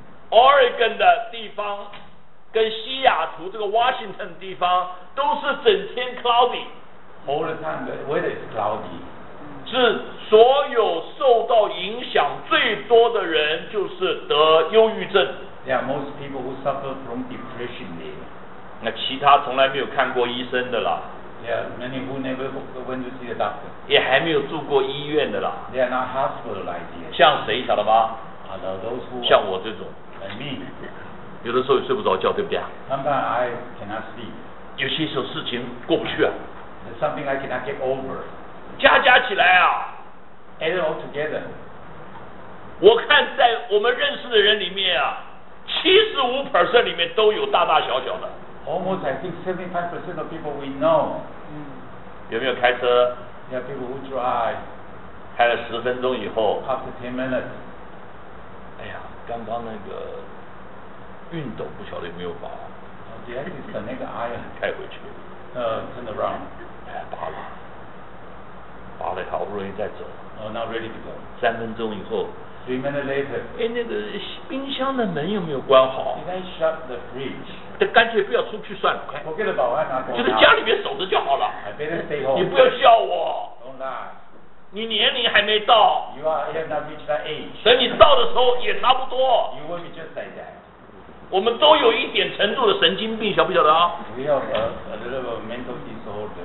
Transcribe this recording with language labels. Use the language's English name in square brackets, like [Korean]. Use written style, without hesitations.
[Chinese] Oregon 的地方跟西雅图这个 Washington 地方都是整天 cloudy [English] all the time the weather is cloudy [Chinese] 是所有受到影响最多的人就是得忧郁症 [English] yeah most people who suffer from depression there [Chinese] 那其他从来没有看过医生的啦 [English] yeah many who never went to see a doctor [Chinese] 也还没有住过医院的啦 [English] they are not hospitalized yet [Chinese] 像谁晓得吗 [English] those who [Chinese] 像我这种 [English] Me. [Chinese] 有的时候也睡不着觉，对不对啊 [English] ？Sometimes I cannot sleep. [Chinese] 有些时候事情过不去啊。 [English] There's something I cannot get over. [Chinese] 加起来啊 [English] ，add it all together. [Chinese] 我看在我们认识的人里面啊，75% 里面都有大大小小的。 [English] Almost I think 75% of people we know. [Chinese] 有没有开车 [English] ？Yeah, people who drive. [Chinese] 开了十分钟以后。 [English] After 10 minutes. [Chinese] 哎呀。刚刚那个熨斗不晓得有没有拔，把那个 iron 开回去， [English] turn around， [Chinese] 哎，拔了，拔了，好不容易再走。 [English] Not ready to go。 [Chinese] 三分钟以后。 [English] Three minutes later。 [Chinese] 哎，那个冰箱的门有没有关好 [English] ？Did I shut the fridge？ [Chinese] 这干脆不要出去算了，快。 [English] Forget about it. [Chinese] 就在家里面守着就好了。 [English] I better stay home。 [Chinese] 你不要笑我。 [English] Don't lie。 [Chinese] 你年龄还没到 [English] you are, you have not reached that age. [Chinese] 等你到的时候也差不多 [English] you will be just like that. [Chinese] 我们都有一点程度的神经病晓不晓得啊 [English] we have a little bit of mental disorder.